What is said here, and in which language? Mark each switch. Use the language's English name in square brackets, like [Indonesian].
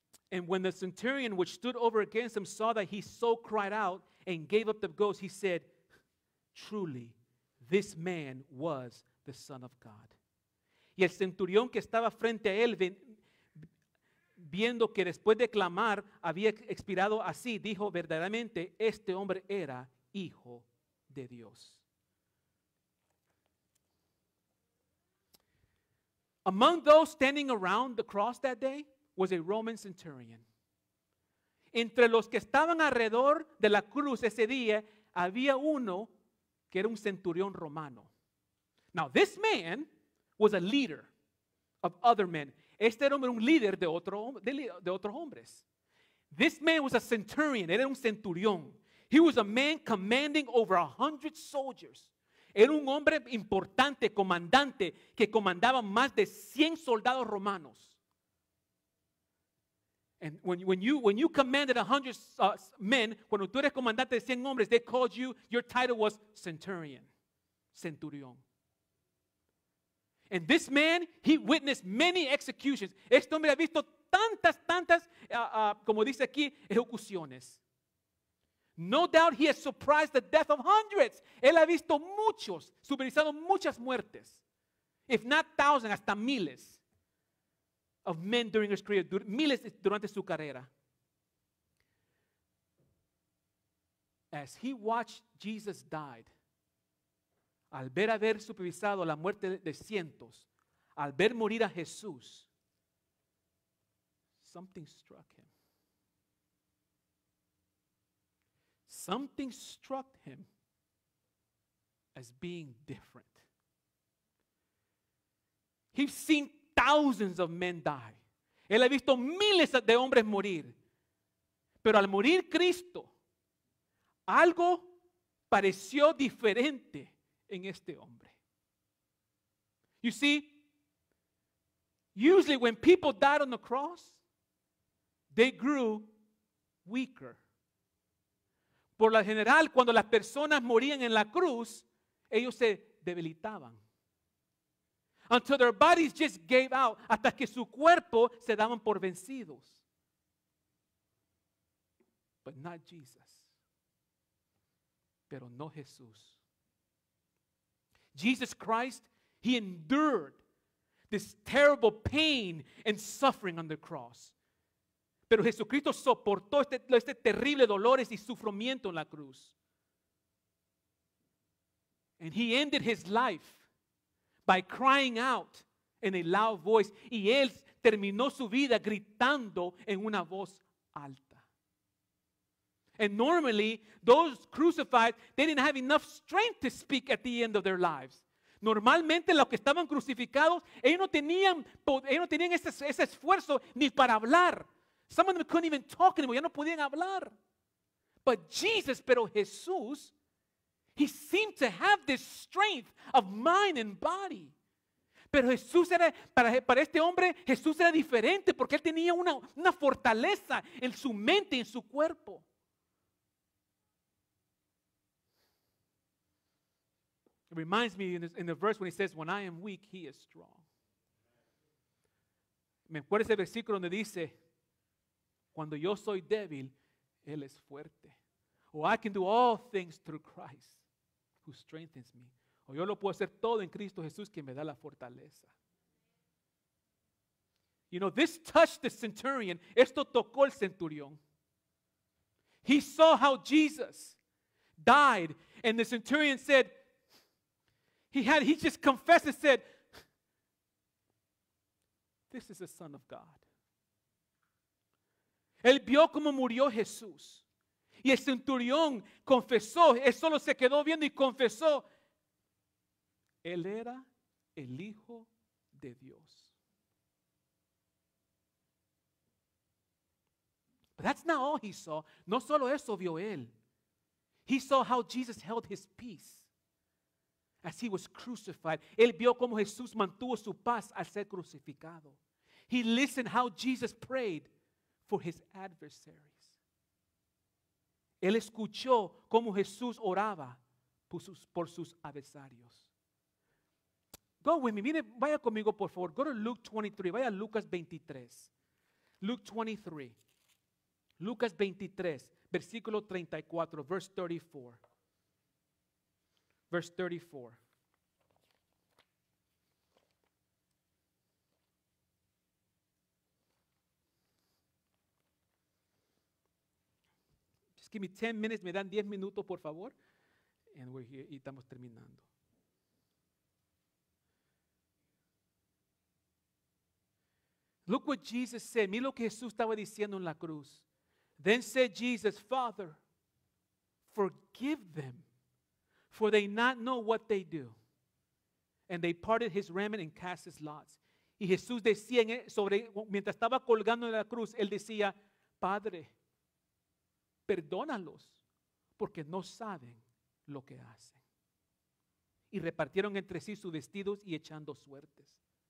[English] And when the centurion which stood over against him saw that he so cried out and gave up the ghost, he said, truly, this man was the Son of God. [Spanish] Y el centurión que estaba frente a él, viendo que después de clamar había expirado así, dijo, verdaderamente, este hombre era hijo de Dios. [English] Among those standing around the cross that day was a Roman centurion. [Spanish] Entre los que estaban alrededor de la cruz ese día, había uno que era un centurión romano. [English] Now this man was a leader of other men. [Spanish] Este hombre era un líder de otros hombres. [English] This man was a centurion, [Spanish] era un centurión. [English] He was a man commanding over 100 soldiers. [Spanish] Era un hombre importante, comandante, que comandaba más de 100 soldados romanos. [English] And when you commanded 100 men, [Spanish] cuando tú eres comandante de 100 hombres, [English] they called you, your title was centurion, centurión. And this man, he witnessed many executions. [Spanish] Este hombre ha visto tantas, como dice aquí, ejecuciones. [English] No doubt he has surprised the death of hundreds. [Spanish] Él ha visto muchos, supervisado muchas muertes. [English] If not thousands, [Spanish] hasta miles [English] of men during his career, [Spanish] miles durante su carrera. [English] As he watched Jesus died, [Spanish] al ver haber supervisado la muerte de cientos, al ver morir a Jesús, [English] something struck him. Something struck him as being different. He's seen thousands of men die. [Spanish] Él ha visto miles de hombres morir. Pero al morir Cristo, algo pareció diferente en este hombre. [English] You see, usually when people died on the cross, they grew weaker. [Spanish] Por lo general, cuando las personas morían en la cruz, ellos se debilitaban. [English] Until their bodies just gave out, [Spanish] hasta que su cuerpo se daban por vencidos. [English] But not Jesus. [Spanish] Pero no Jesús. [English] Jesus Christ, he endured this terrible pain and suffering on the cross. [Spanish] Pero Jesucristo soportó este terrible dolor y sufrimiento en la cruz. [English] And he ended his life by crying out in a loud voice. [Spanish] Y él terminó su vida gritando en una voz alta. [English] And normally, those crucified, they didn't have enough strength to speak at the end of their lives. [Spanish] Normalmente, los que estaban crucificados, ellos no tenían ese esfuerzo ni para hablar. [English] Some of them couldn't even talk anymore. [Spanish] Ya no podían hablar. [English] But Jesus, [Spanish] pero Jesús, [English] he seemed to have this strength of mind and body. [Spanish] Pero Jesús era, para este hombre, Jesús era diferente porque él tenía una fortaleza en su mente, en su cuerpo. [English] It reminds me in the verse when he says, when I am weak, he is strong. [Spanish] Me acuerdo ese versículo donde dice, cuando yo soy débil, él es fuerte. [English] Or I can do all things through Christ who strengthens me. [Spanish] O yo lo puedo hacer todo en Cristo Jesús quien me da la fortaleza. [English] You know, this touched the centurion. [Spanish] Esto tocó el centurión. [English] He saw how Jesus died. And the centurion said, he just confessed and said, this is the Son of God. [Spanish] Él vio cómo murió Jesús. Y el centurión confesó, él solo se quedó viendo y confesó, él era el Hijo de Dios. [English] But that's not all he saw. [Spanish] No solo eso vio él. [English] He saw how Jesus held his peace as he was crucified. [Spanish] Él vio cómo Jesús mantuvo su paz al ser crucificado. [English] He listened how Jesus prayed for his adversary. [Spanish] Él escuchó cómo Jesús oraba por sus adversarios. [English] Go with me. [Spanish] Mire, vaya conmigo, por favor. [English] Go to Luke 23. [Spanish] Vaya a Lucas 23. [English] Luke 23. [Spanish] Lucas 23, versículo 34, [English] verse 34. Verse 34. Give me 10 minutes, [Spanish] me dan 10 minutos, por favor. [English] And we're here, [Spanish] y estamos terminando. [English] Look what Jesus said. [Spanish] Mira lo que Jesús estaba diciendo en la cruz. [English] Then said Jesus, Father, forgive them, for they not know what they do. And they parted his raiment and cast his lots. [Spanish] Y Jesús decía, mientras estaba colgando en la cruz, él decía, Padre, perdónalos, porque no saben lo que hacen. Y repartieron entre sí sus vestidos y echando suertes.